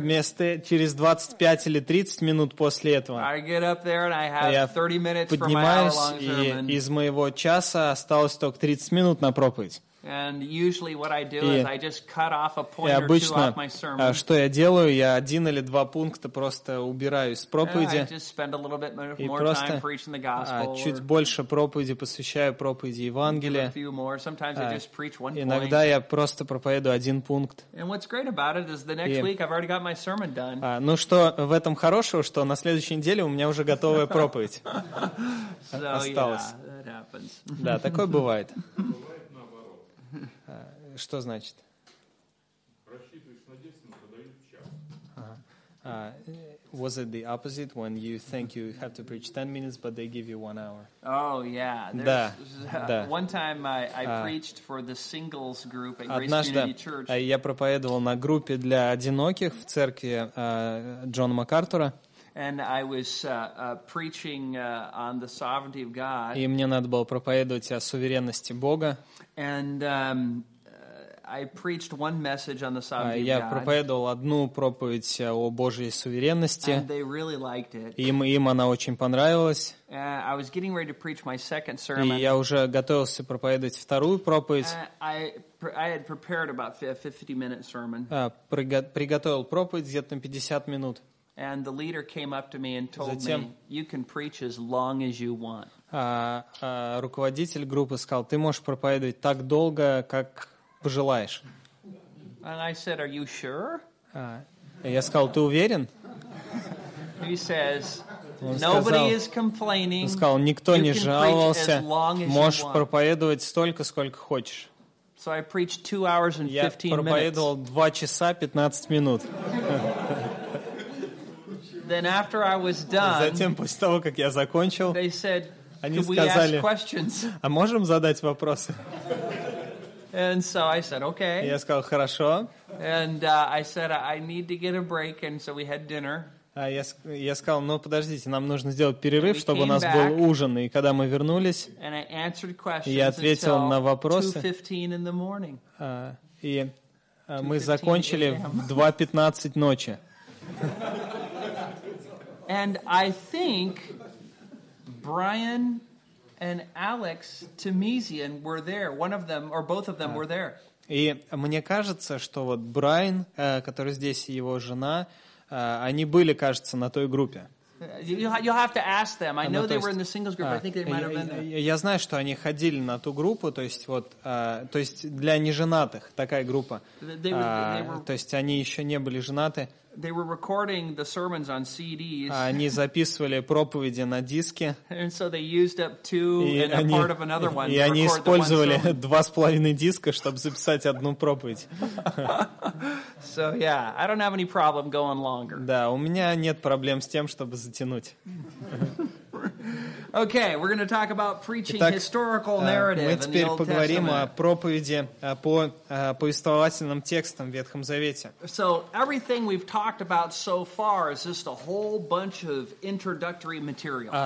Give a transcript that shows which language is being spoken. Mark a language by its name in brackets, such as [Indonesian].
[Russian] Вместо через 25 или 30 минут после этого. [English] I get up there and I have 30 minutes for my hour-long sermon. [Russian] Из моего часа осталось только 30 минут на проповедь. [English] And usually what I do is I just cut off a point or two off my sermon. [Russian] И обычно, что я делаю, я один или два пункта просто убираю из проповеди. [English] I just spend a little bit more time preaching the gospel. [Russian] Чуть больше проповеди посвящаю проповеди Евангелия. [English] A few more. Sometimes I just preach one point. [Russian] Иногда я просто проповедую один пункт. [English] And what's great about it is the next week I've already got my sermon done. [Russian] Ну что в этом хорошего, что на следующей неделе у меня уже готовая проповедь осталась. [English] So, yeah, that happens. [Russian] Да, такое бывает. Что значит? Рассчитываешь на 10 минут, а даю час. [English] Was it the opposite when you think you have to preach 10 minutes, but they give you 1 hour? Oh, yeah. One time I preached for the singles group at Grace Community Church. [Russian] Я проповедовал на группе для одиноких в церкви Джона МакАртура. [English] And I was preaching on the sovereignty of God. [Russian] И мне надо было проповедовать о суверенности Бога. [English] And I preached one message on the sovereignty of God. [Russian] Я проповедовал одну проповедь о Божьей суверенности. [English] And they really liked it. [Russian] Им она очень понравилась. [English] I was getting ready to preach my second sermon. [Russian] И я уже готовился проповедовать вторую проповедь. [English] I had prepared about a 50-minute sermon. [Russian] Приготовил проповедь где-то на 50 минут. [English] And the leader came up to me and told me, "You can preach as long as you want." [Russian] Руководитель группы сказал, ты можешь проповедовать так долго, как пожелаешь. [English] And I said, "Are you sure?" [Russian] Я сказал, ты уверен? [English] He says, "Nobody is complaining." [Russian] Он сказал, никто не жаловался. Можешь проповедовать столько, сколько хочешь. [English] So I preached 2 hours and 15 minutes. [Russian] Я проповедовал 2 часа 15 минут. [English] Then after I was done, [Russian] затем после того, как я закончил, [English] they said, [Russian] они сказали, [English] we ask questions? [Russian] А можем задать вопросы? [English] And so I said, okay. [Russian] Я сказал, хорошо. [English] And I said, I need to get a break, and so we had dinner. [Russian] Я сказал, ну подождите, нам нужно сделать перерыв, чтобы у нас был ужин. И когда мы вернулись, [English] and I answered questions, [Russian] я ответил на вопросы. [English] 2:15 in the morning. [Russian] И мы закончили в 2:15 ночи. [English] And I think Brian and Alex Tamesian were there. One of them, or both of them, were there. [Russian] И мне кажется, что вот Брайан, который здесь, и его жена, они были, кажется, на той группе. [English] You'll have to ask them. I know they were in the singles group. I think they might have been there. [Russian] Я знаю, что они ходили на ту группу, то есть вот, то есть для неженатых такая группа. То есть они еще не были женаты. [English] They were recording the sermons on CDs. [Russian] Они записывали проповеди на диске. [English] And so they used up two and a part of another one. [Russian] И они использовали 2,5 диска, чтобы записать одну проповедь. [English] So yeah, I don't have any problem going longer. [Russian] Да, у меня нет проблем с тем, чтобы затянуть. [English] Okay, we're going to talk about preaching. [Russian] Итак, [English] historical narrative in the Old Testament. [Russian] Мы теперь поговорим о проповеди по повествовательным текстам в Ветхом Завете. [English] So everything we've talked about so far is just a whole bunch of introductory material.